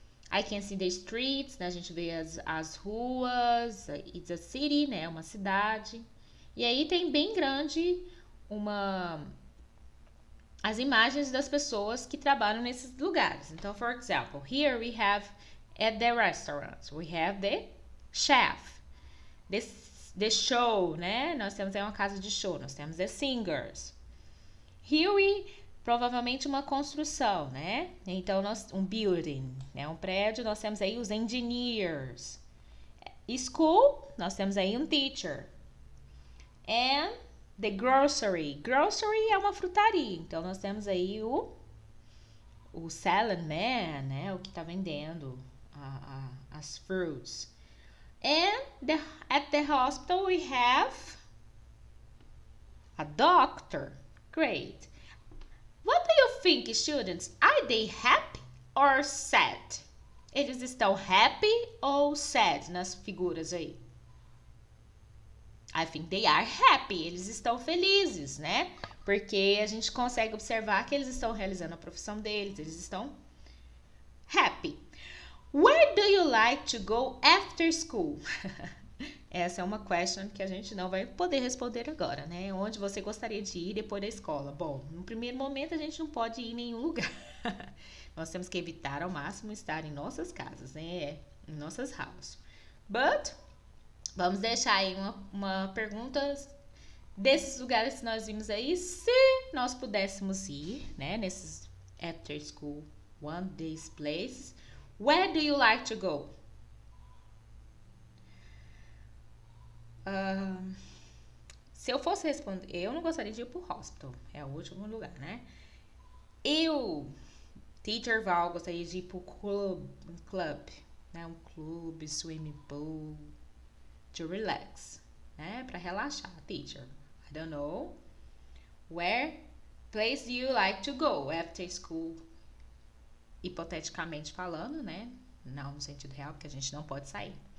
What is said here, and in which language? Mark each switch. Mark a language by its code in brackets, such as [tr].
[en] I can see the streets, né? A gente vê as ruas, it's a city, né? [pt] Uma cidade. E aí tem bem grande as imagens das pessoas que trabalham nesses lugares. [en] Então, for example, here we have at the restaurant, we have the chef. [pt] The show, né? Nós temos aí uma casa de show, nós temos the singers. Provavelmente uma construção, né? Então, um building, né? Um prédio, nós temos aí os engineers. School, nós temos aí um teacher. [en] And the grocery. Grocery é uma frutaria. [pt] Então, nós temos aí o selling man, né? O que está vendendo as fruits. [en] And at the hospital, we have a doctor. Great. What do you think, students? Are they happy or sad? [pt] Eles estão happy ou sad nas figuras aí? I think they are happy. Eles estão felizes, né? Porque a gente consegue observar que eles estão realizando a profissão deles. Eles estão [en] Where do you like to go after school? [pt] Essa é uma question que a gente não vai poder responder agora, né? Onde você gostaria de ir depois da escola? Bom, no primeiro momento a gente não pode ir em nenhum lugar. Nós temos que evitar ao máximo estar em nossas casas, né? Em nossas house. But vamos deixar aí uma pergunta desses lugares que nós vimos aí. Se nós pudéssemos ir, né? Nesses after school, one these places. [en] Where do you like to go? [pt] Se eu fosse responder, eu não gostaria de ir pro hospital. É o último lugar, né? Eu, Teacher Val, gostaria de ir pro club, né? [en] Um clube, swimming pool, to relax, né? Para relaxar, teacher. I don't know. Where place do you like to go after school? [pt] Hipoteticamente falando, né? Não no sentido real, porque a gente não pode sair.